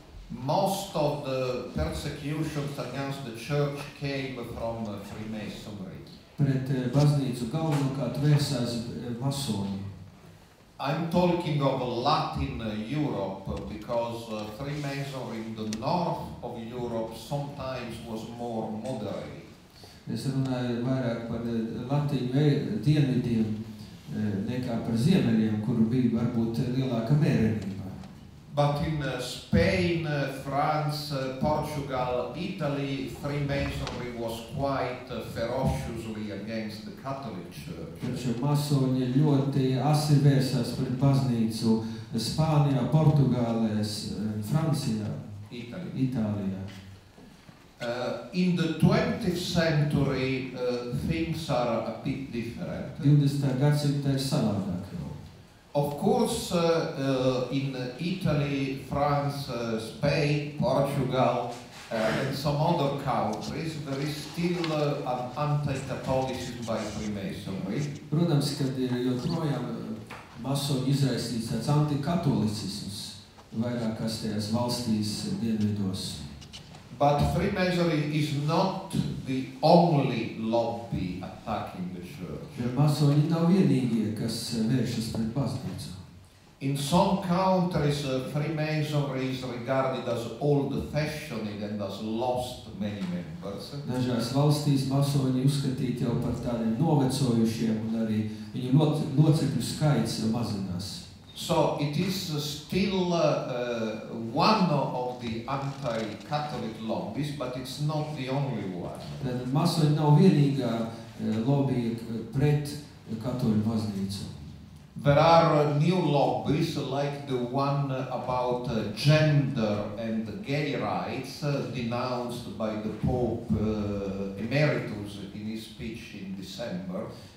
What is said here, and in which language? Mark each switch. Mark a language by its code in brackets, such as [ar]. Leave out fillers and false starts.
[en] most of the persecutions against the church came from the Freemasonry. [lv] Pret baznīcu galvenokārt vērsās masoni. [en] I'm talking of Latin Europe because Freemasonry in the north of Europe sometimes was more moderate. [lv] Es runāju vairāk par Latviju dienvidiem nekā par ziemeļiem, kuru bija varbūt lielāka mērenība. [en] But in Spain, France, Portugal, Italy, Freemasonry was quite ferociously against the Catholic Church. [lv] Taču masoņi ļoti asi vērsās pret baznīcu Spānijā, Portugālēs, Francijā, Itālijā. [en] In the 20th century, things are a bit different. [lv] 20. gadsimtā ir savādāk. [en] Of course, in Italy, France, Spain, Portugal, and some other countries, there is still an anti-Catholicism by Freemasonry. [lv] Protams, kad ir joprojām masoņu izraisīts tāds anti-katolicisms vairākās tajās valstīs dienvidos. [en] But Freemasonry is not the only lobby attacking the church. [lv] Ja masoņi nav vienīgie, kas vēršas pret baznīcu. [en] In some countries, Freemasonry is regarded as old-fashioned and has lost many members. [lv] Dažās valstīs masoņi uzskatīti jau par tādiem novecojušiem, un arī viņu locekļu skaits mazinās. [en] So it is still one of the anti-Catholic lobbies, but it's not the only one. [lv] Masoņi nav vienīgā lobby pret katoļu baznīcu. [en] There are new lobbies like the one about gender and gay rights denounced by the Pope Emeritus in his speech in December.